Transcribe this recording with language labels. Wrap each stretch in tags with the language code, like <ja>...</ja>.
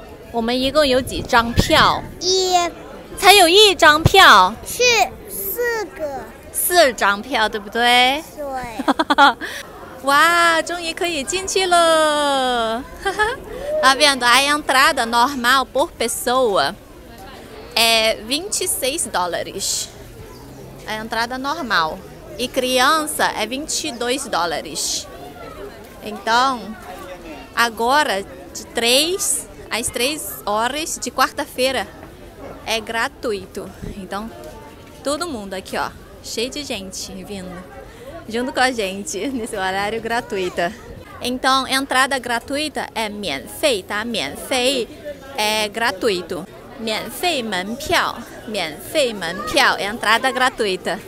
<zh>我们一共有几张票？一，才有一张票。是四个。四张票，对不对？对。哇，终于可以进去了。</zh> <pt>Tá vendo? A entrada normal por pessoa é $26. A entrada normal. E criança é $22. Então, agora, de 3 às 3 horas de quarta-feira, é gratuito. Então, todo mundo aqui, ó, cheio de gente vindo. Junto com a gente, nesse horário gratuito. Então, entrada gratuita é 免费, tá? 免费 é gratuito.</pt> <zh>免费门票, 免费门票,</zh> <pt>entrada gratuita.</pt>